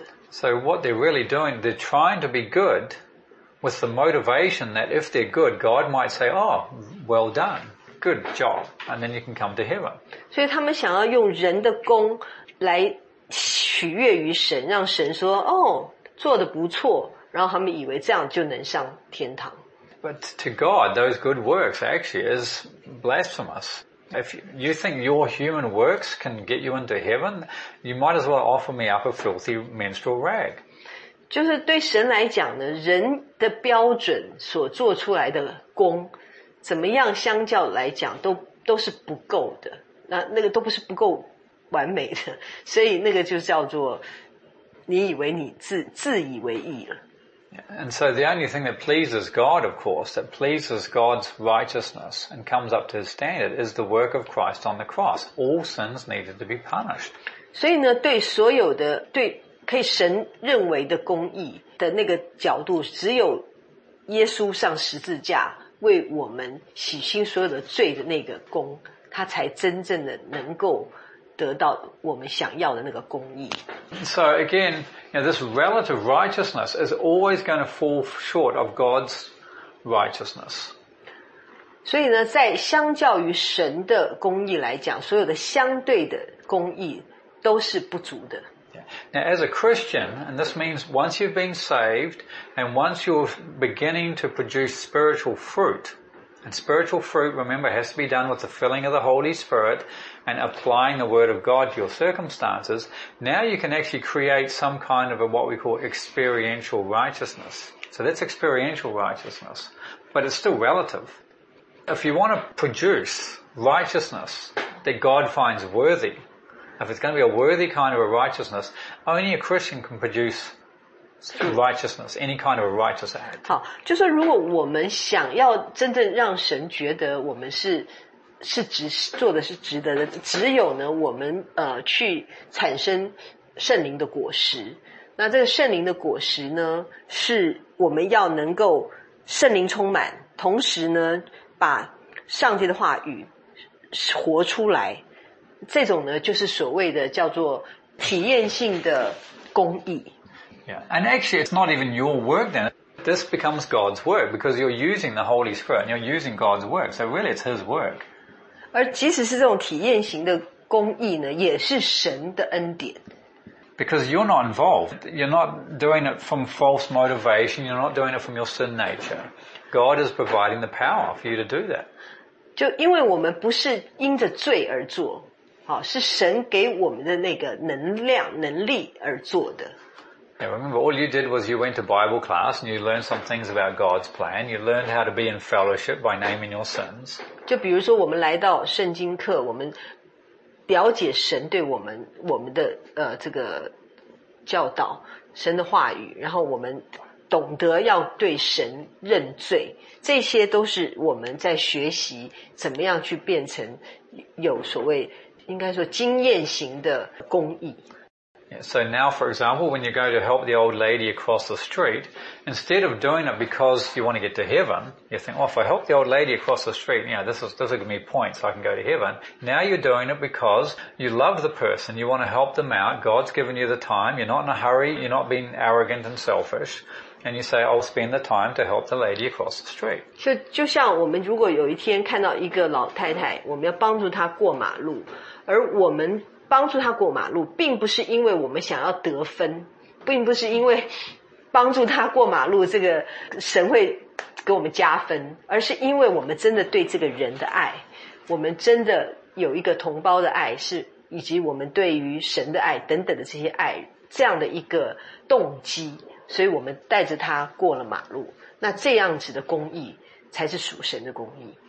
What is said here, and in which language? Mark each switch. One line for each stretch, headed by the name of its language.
English: So what they're really doing, they're trying to be good with the motivation that if they're good, God might say, oh, well done, good job, and then you can come to heaven.
Chinese: 所以他们想要用人的功来取悦于神，让神说，哦，做得不错。然后他们以为这样就能上天堂。
English: But to God, those good works actually is blasphemous. If you think your human works can get you into heaven, you might as well offer me up a filthy menstrual rag.
Chinese: 就是对神来讲呢，人的标准所做出来的功，怎么样相较来讲都是不够的。那个都不是不够完美的，所以那个就叫做你以为你自以为意了。
English: And so the only thing that pleases God, of course, that pleases God's righteousness and comes up to His standard is the work of Christ on the cross. All sins needed to be punished.
Chinese: 所以呢，对所有的，对可以神认为的公义的那个角度，只有耶稣上十字架为我们洗清所有的罪的那个功，他才真正的能够得到我们想要的那个公义。
English: So again, you know, this relative righteousness is always going to fall short of God's righteousness.
Chinese: 所以呢，在相较于神的公义来讲，所有的相对的公义都是不足的。
English: Now, as a Christian, and this means once you've been saved, and once you're beginning to produce spiritual fruit, and spiritual fruit, remember, has to be done with the filling of the Holy Spirit and applying the Word of God to your circumstances, now you can actually create some kind of a, what we call experiential righteousness. So that's experiential righteousness, but it's still relative. If you want to produce righteousness that God finds worthy,If it's going to be a worthy kind of a righteousness, only a Christian can produce righteousness, any kind of a righteous act.
Chinese: 好，就是如果我们想要真正让神觉得我们是值做的是值得的，只有呢我们去产生圣灵的果实。那这个圣灵的果实呢，是我们要能够圣灵充满，同时呢把上帝的话语活出来。这种呢就是所谓的叫做体验性的公义。
English: Yeah, and actually it's not even your work then. This becomes God's work because you're using the Holy Spirit and you're using God's work. So really it's His work.
Chinese: 而即使是这种体验型的公义呢也是神的恩典。
English: Because you're not involved. You're not doing it from false motivation. You're not doing it from your sin nature. God is providing the power for you to do that.
Chinese: 就因为我们不是因着罪而做。好，是神给我们的那个能量、能力而做的。
English: Yeah, remember, all you did was you went to Bible class and you learned some things about God's plan. You learned how to be in fellowship by naming your sins.
Chinese: 就比如说，我们来到圣经课，我们了解神对我们的这个教导、神的话语，然后我们懂得要对神认罪，这些都是我们在学习怎么样去变成有所谓。应该说经验型的公义。
English: Yeah, so now, for example, when you go to help the old lady across the street, instead of doing it because you want to get to heaven, you think, well, if I help the old lady across the street, you know, this is going to be points, I can go to heaven. Now you're doing it because you love the person, you want to help them out, God's given you the time, you're not in a hurry, you're not being arrogant and selfish, and you say, I'll spend the time to help the lady across the street.
Chinese: 就像我们如果有一天看到一个老太太，我们要帮助她过马路，而我们帮助他过马路并不是因为我们想要得分，并不是因为帮助他过马路这个神会给我们加分，而是因为我们真的对这个人的爱，我们真的有一个同胞的爱，是以及我们对于神的爱等等的这些爱，这样的一个动机，所以我们带着他过了马路，那这样子的公义才是属神的公义。